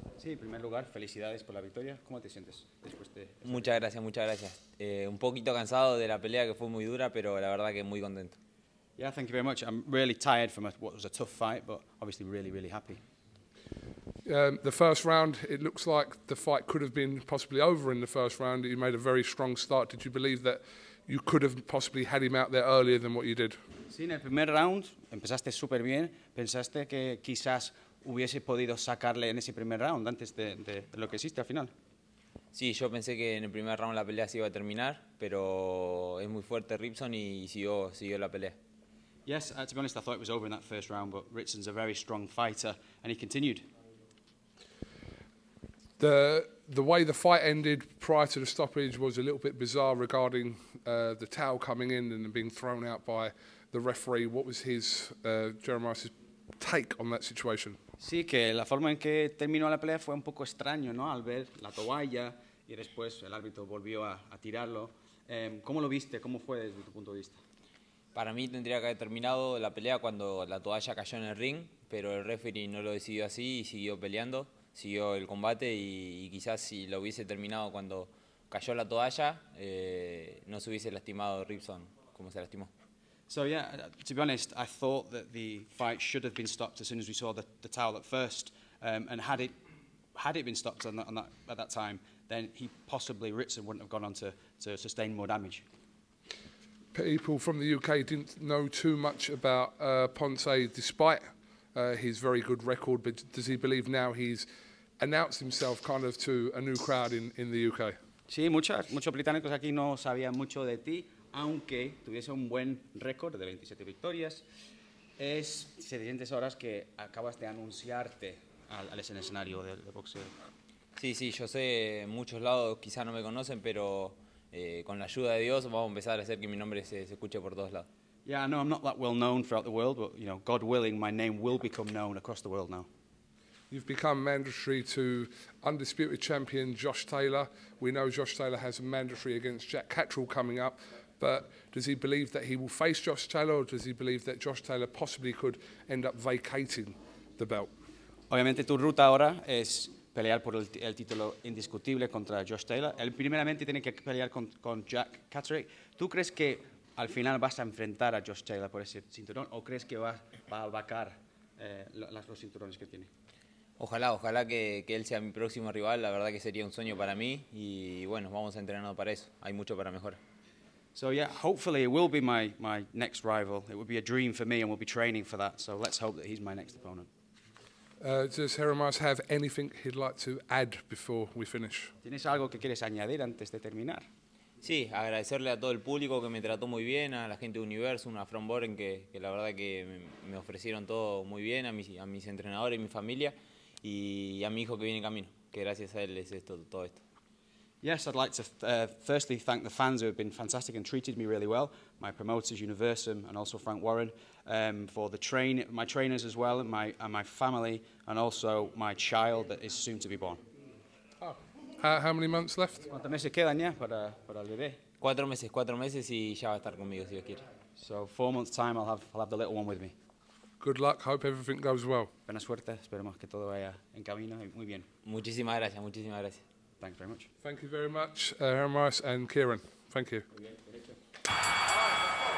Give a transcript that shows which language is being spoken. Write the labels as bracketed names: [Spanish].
[Spanish] Sí, en primer lugar, felicidades por la victoria. ¿Cómo te sientes después de? Muchas gracias. Un poquito cansado de la pelea que fue muy dura, pero la verdad que muy contento. [English] Yeah, thank you very much. I'm really tired from what was a tough fight, but obviously really, really happy. The first round, it looks like the fight could have been possibly over in the first round. You made a very strong start. Did you believe that you could have possibly had him out there earlier than what you did? [Spanish] Sí, en el primer round empezaste súper bien. Pensaste que quizás hubiese podido sacarle en ese primer round antes de lo que hiciste al final. Sí, yo pensé que en el primer round la pelea se iba a terminar, pero es muy fuerte Ritson y siguió la pelea. [English] Yes, to be honest, I thought it was over in that first round, but Ritson's a very strong fighter, and he continued. The way the fight ended prior to the stoppage was a little bit bizarre regarding the towel coming in and being thrown out by the referee. What was his, Jeremiah's take on that situation? [Spanish] Sí, que la forma en que terminó la pelea fue un poco extraño, ¿no? Al ver la toalla y después el árbitro volvió a tirarlo. ¿Cómo lo viste? ¿Cómo fue desde tu punto de vista? Para mí tendría que haber terminado la pelea cuando la toalla cayó en el ring, pero el referee no lo decidió así y siguió peleando, siguió el combate y quizás si lo hubiese terminado cuando cayó la toalla, no se hubiese lastimado Ritson como se lastimó. [English] So yeah, to be honest, I thought that the fight should have been stopped as soon as we saw the towel at first, and had it been stopped at that time, then he possibly, Ritson, wouldn't have gone on to sustain more damage. People from the UK didn't know too much about Ponce, despite his very good record. But does he believe now he's announced himself kind of to a new crowd in the UK? [Spanish] Sí, muchos británicos aquí no sabían mucho de ti, aunque tuviese un buen récord de 27 victorias. Es 700 horas que acabas de anunciarte al escenario del boxeo. Sí, sí, yo sé, en muchos lados quizá no me conocen, pero con la ayuda de Dios vamos a empezar a hacer que mi nombre se escuche por todos lados. [English] Yeah, I know I'm not that well known throughout the world, but you know, God willing, my name will become known across the world now. You've become mandatory to undisputed champion Josh Taylor. We know Josh Taylor has a mandatory against Jack Cattrall coming up, but does he believe that he will face Josh Taylor, or does he believe that Josh Taylor possibly could end up vacating the belt? [Spanish] Obviamente tu ruta ahora es pelear por el título indiscutible contra Josh Taylor. Él primeramente tiene que pelear con Jack Catterick. ¿Tú crees que al final vas a enfrentar a Josh Taylor por ese cinturón o crees que va a vacar los cinturones que tiene? Ojalá que él sea mi próximo rival. La verdad que sería un sueño para mí y bueno, vamos a entrenar para eso. Hay mucho para mejorar. [English] So yeah, hopefully it will be my next rival. It would be a dream for me and we'll be training for that. So let's hope that he's my next opponent. Does Jeremias have anything he'd like to add before we finish? [Spanish] ¿Tienes algo que quieres añadir antes de terminar? Sí, agradecerle a todo el público que me trató muy bien, a la gente de Universo, a Framboren, que la verdad que me ofrecieron todo muy bien, a mis entrenadores, a mi familia, y a mi hijo que viene en camino, que gracias a él es esto, todo esto. [English] Yes, I'd like to firstly thank the fans who have been fantastic and treated me really well. My promoters, Universum, and also Frank Warren, for the train, my trainers as well, and my family, and also my child that is soon to be born. Oh. How many months left? [Spanish] ¿Cuántos meses quedan ya para el bebé? Cuatro meses, y ya va a estar conmigo si Dios quiere. [English] So 4 months time, I'll have the little one with me. Good luck. Hope everything goes well. [Spanish] Buena suerte. Esperemos que todo vaya en camino y muy bien. Muchísimas gracias. [English] Thank you very much. Thank you very much, Jeremias and Kieran. Thank you.